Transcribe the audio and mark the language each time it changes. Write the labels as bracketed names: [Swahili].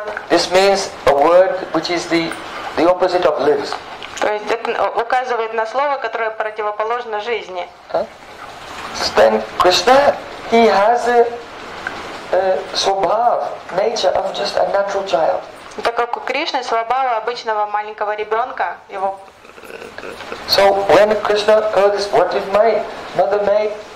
[English] This means a word which is the opposite of lives. [Russian] То есть это указывает на слово, которое противоположно жизни. [English] Then Krishna, he has a swabhav nature of just a natural child. [Russian] Так как у Кришны свабава обычного маленького ребенка, его. [English] So when Krishna heard this, what if my mother may